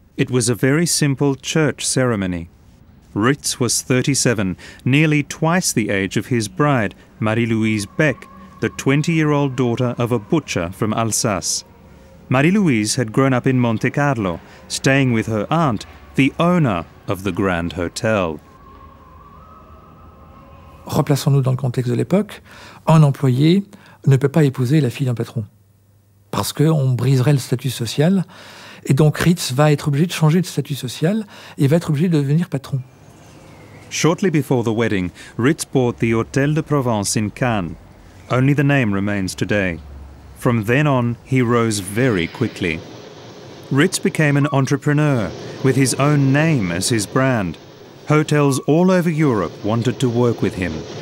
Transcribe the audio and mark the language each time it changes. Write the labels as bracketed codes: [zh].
[en] It was a very simple church ceremony. Ritz was 37, nearly twice the age of his bride, Marie-Louise Beck, the 20-year-old daughter of a butcher from Alsace. Marie-Louise had grown up in Monte Carlo, staying with her aunt, the owner of the Grand Hotel. [fr] Replaçons-nous dans le contexte de l'époque. Un employé ne peut pas épouser la fille d'un patron, parce qu'on briserait le statut social. Et donc Ritz va être obligé de changer de statut social et va être obligé de devenir patron. [en] Shortly before the wedding, Ritz bought the Hôtel de Provence in Cannes. Only the name remains today. From then on, he rose very quickly. Ritz became an entrepreneur, with his own name as his brand. Hotels all over Europe wanted to work with him.